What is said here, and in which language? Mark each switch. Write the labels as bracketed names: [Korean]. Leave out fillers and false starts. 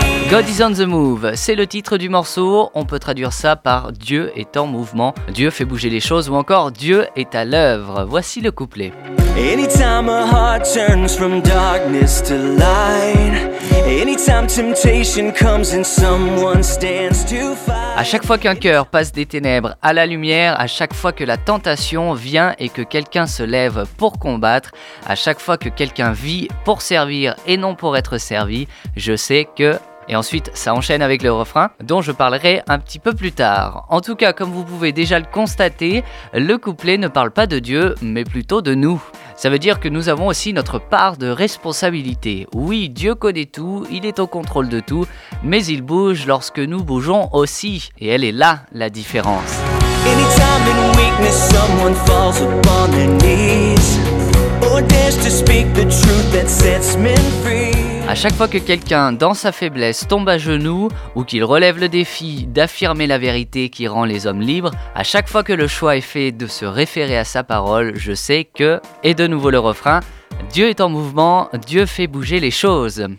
[French] God is on the move, c'est le titre du morceau, on peut traduire ça par « Dieu est en mouvement »,« Dieu fait bouger les choses » ou encore « Dieu est à l'œuvre ». Voici le couplet. [English] Anytime a heart turns from darkness to light. Anytime temptation comes and someone stands to fight. [French] À chaque fois qu'un cœur passe des ténèbres à la lumière, à chaque fois que la tentation vient et que quelqu'un se lève pour combattre, à chaque fois que quelqu'un vit pour servir et non pour être servi, je sais que... Et ensuite, ça enchaîne avec le refrain, dont je parlerai un petit peu plus tard. En tout cas, comme vous pouvez déjà le constater, le couplet ne parle pas de Dieu, mais plutôt de nous. Ça veut dire que nous avons aussi notre part de responsabilité. Oui, Dieu connaît tout, il est au contrôle de tout, mais il bouge lorsque nous bougeons aussi. Et elle est là, la différence. [English] Anytime in weakness, someone falls upon their knees, or dares to speak the truth that sets men free. [French] À chaque fois que quelqu'un, dans sa faiblesse, tombe à genoux ou qu'il relève le défi d'affirmer la vérité qui rend les hommes libres, à chaque fois que le choix est fait de se référer à sa parole, je sais que, et de nouveau le refrain, Dieu est en mouvement, Dieu fait bouger les choses.